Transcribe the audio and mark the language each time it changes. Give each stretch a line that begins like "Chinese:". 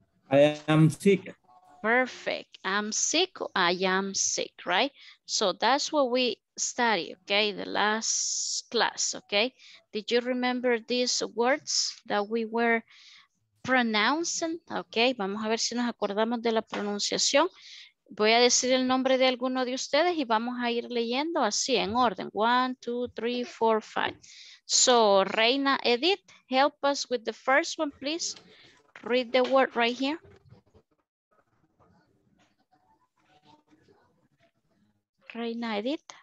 English: I am sick. Perfect. I'm sick. I am sick, right? So that's what we study, okay, the last class, okay? Did you remember these words that we were pronouncing?
Spanish: Okay, vamos a ver si nos acordamos de la pronunciación. Voy a decir el nombre de alguno de ustedes y vamos a ir leyendo así en orden. 1, 2, 3, 4, 5.
English: So, Reina Edith, help us with the first one, please. Read the word right here. Reina Edith.